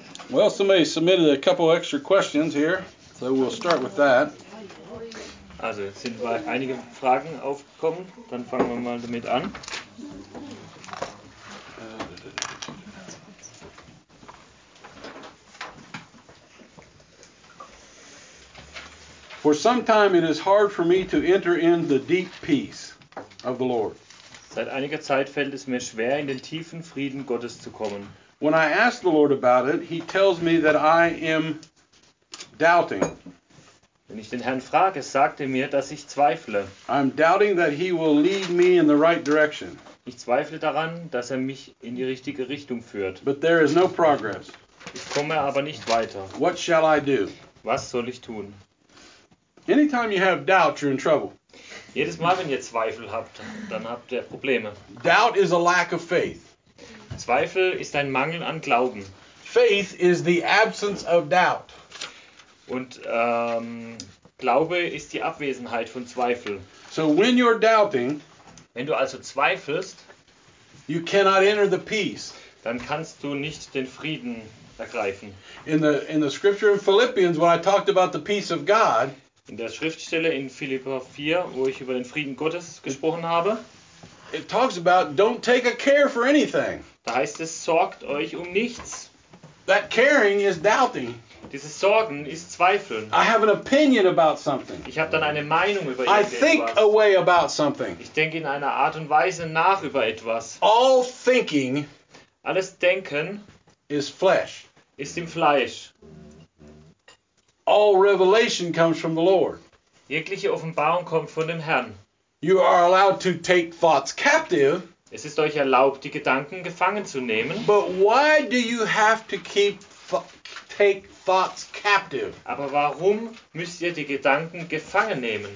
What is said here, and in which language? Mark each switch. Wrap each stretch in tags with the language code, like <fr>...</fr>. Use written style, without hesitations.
<en>Well, somebody submitted a couple extra questions here, so we'll start with that.</en> <de>Also, sind bei einigen Fragen aufgekommen, dann fangen wir mal damit an.</de> <en>For some time it is hard for me to enter in the deep peace of the Lord.</en> <de>Seit einiger Zeit fällt es mir schwer, in den tiefen Frieden Gottes zu kommen.</de> <en>When I ask the Lord about it, he tells me that I am doubting.</en> <de>Wenn ich den Herrn frage, sagt er mir, dass ich zweifle.</de> <en>I'm doubting that he will lead me in the right direction.</en> <de>Ich zweifle daran, dass er mich in die richtige Richtung führt.</de> <en>But there is no progress.</en> <de>Ich komme aber nicht weiter.</de> <en>What shall I do?</en> <de>Was soll ich tun?</de> <en>Anytime you have doubt, you're in trouble.</en> <de>Jedes Mal, wenn ihr Zweifel habt, dann habt ihr Probleme.</de> <en>Doubt is a lack of faith.</en> <de>Zweifel ist ein Mangel an Glauben.</de> <en>Faith is the absence of doubt.</en> <de>Und Glaube ist die Abwesenheit von Zweifel.</de> <en>So when you're doubting,</en> <de>wenn du also zweifelst,</de> <en>you cannot enter the peace.</en> <de>Dann kannst du nicht den Frieden ergreifen.</de> <en>In the scripture in Philippians, when I talked about the peace of God,</en> <de>in der Schriftstelle in Philipper 4, wo ich über den Frieden Gottes gesprochen habe,</de> <en>it talks about don't take a care for anything.</en> <de>Da heißt es, sorgt euch um nichts.</de> <en>That caring is doubting.</en> <de>Dieses Sorgen ist Zweifeln.</de> <en>I have an opinion about something.</en> <de>Ich habe dann eine Meinung über</de> <en>I think</en> <de>etwas.</de> <en>A way about something.</en> <de>Ich denke in einer Art und Weise nach über etwas.</de> <en>All thinking,</en> <de>alles Denken,</de> <en>is flesh.</en> <de>Ist im Fleisch.</de> <en>All revelation comes from the Lord.</en> <de>Jegliche Offenbarung kommt von dem Herrn.</de> <en>You are allowed to take thoughts captive.</en> <de>Es ist euch erlaubt, die Gedanken gefangen zu nehmen.</de> <en>But why do you have to keep take thoughts captive?</en> <de>Aber warum müsst ihr die Gedanken gefangen nehmen?</de>